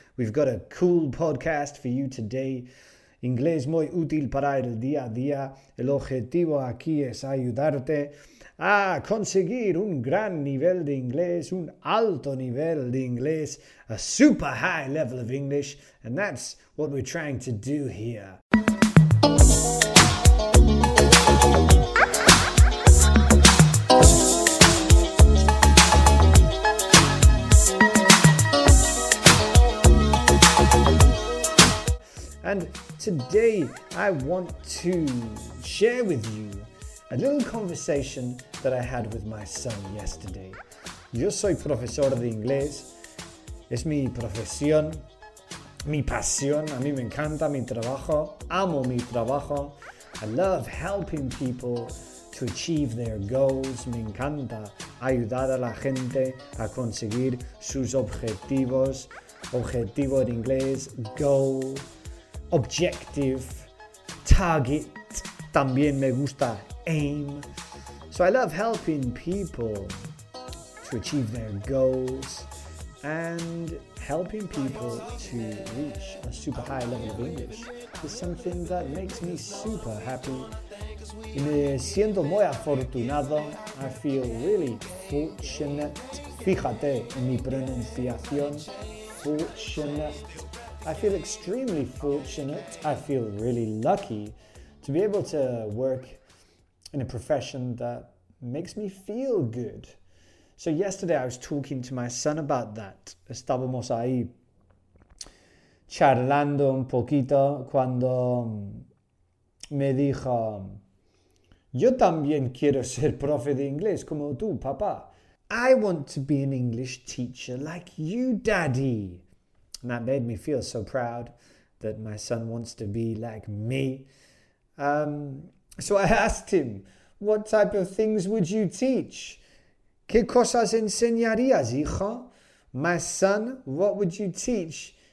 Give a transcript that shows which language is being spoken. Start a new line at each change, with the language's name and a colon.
English: We've got a cool podcast for you today.
Spanish: Inglés muy útil para el día a día. El objetivo aquí es ayudarte a conseguir un gran nivel de inglés, un alto nivel de inglés,
English: a super high level of English, and that's what we're trying to do here. And today I want to share with you a little conversation that I had with my son yesterday.
Spanish: Yo soy profesor de inglés. Es mi profesión, mi pasión. A mí me encanta mi trabajo. Amo mi trabajo.
English: I love helping people to achieve their goals.
Spanish: Me encanta ayudar a la gente a conseguir sus objetivos. Objetivo en inglés, goal, objective, target. También me gusta aim.
English: So I love helping people to achieve their goals and helping people to reach a super high level of English is something that makes me super happy.
Spanish: Y me siento muy afortunado.
English: I feel really fortunate.
Spanish: Fíjate en mi pronunciación. Fortunate.
English: I feel extremely fortunate. I feel really lucky to be able to work in a profession that makes me feel good. So yesterday I was talking to my son about that.
Spanish: Estábamos ahí charlando un poquito cuando me dijo, yo también quiero ser profe de inglés como tú, papá.
English: I want to be an English teacher like you, daddy. And that made me feel so proud that my son wants to be like me. So I asked him, what type of things would you teach?
Spanish: ¿Qué cosas enseñarías, hijo?
English: My son, what would you teach?